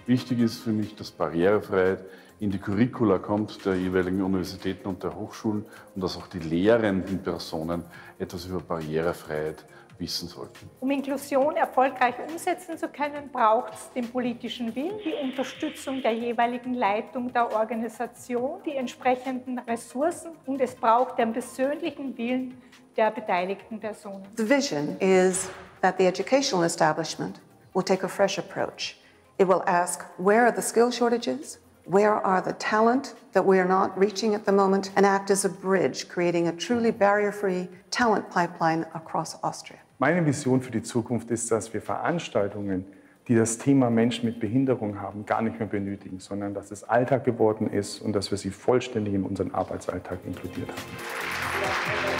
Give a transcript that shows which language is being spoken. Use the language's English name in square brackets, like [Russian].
[German] Wichtig ist für mich, dass Barrierefreiheit in die Curricula kommt der jeweiligen Universitäten und der Hochschulen und dass auch die lehrenden Personen etwas über Barrierefreiheit wissen sollten. Um Inklusion erfolgreich umsetzen zu können, braucht es den politischen Willen, die Unterstützung der jeweiligen Leitung der Organisation, die entsprechenden Ressourcen und es braucht den persönlichen Willen der beteiligten Personen. [English] The vision is that the educational establishment will take a fresh approach. It will ask, where are the skill shortages? Where are the talent that we are not reaching at the moment? And act as a bridge, creating a truly barrier-free talent pipeline across Austria. [German] Meine Vision für die Zukunft ist, dass wir Veranstaltungen, die das Thema Menschen mit Behinderung haben, gar nicht mehr benötigen, sondern dass es Alltag geworden ist und dass wir sie vollständig in unseren Arbeitsalltag inkludiert haben.